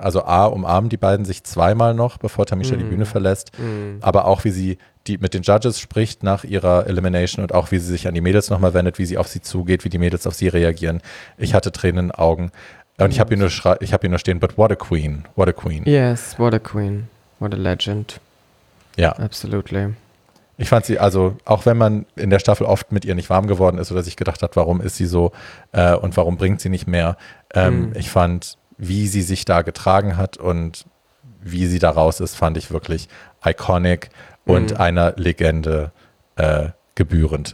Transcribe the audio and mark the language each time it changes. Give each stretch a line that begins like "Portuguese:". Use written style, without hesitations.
German: Also A, umarmen die beiden sich zweimal noch, bevor Tamisha die Bühne verlässt. Aber auch, wie sie mit den Judges spricht nach ihrer Elimination und auch, wie sie sich an die Mädels nochmal wendet, wie sie auf sie zugeht, wie die Mädels auf sie reagieren. Ich hatte Tränen in den Augen. Und ich hab ihr nur stehen,
English: but what a queen, what a queen. Yes, what a queen, what a legend.
German: Ja.
English: Absolutely.
German: Ich fand sie, also auch wenn man in der Staffel oft mit ihr nicht warm geworden ist oder sich gedacht hat, warum ist sie so und warum bringt sie nicht mehr, ich fand, wie sie sich da getragen hat und wie sie da raus ist, fand ich wirklich iconic und einer Legende gebührend.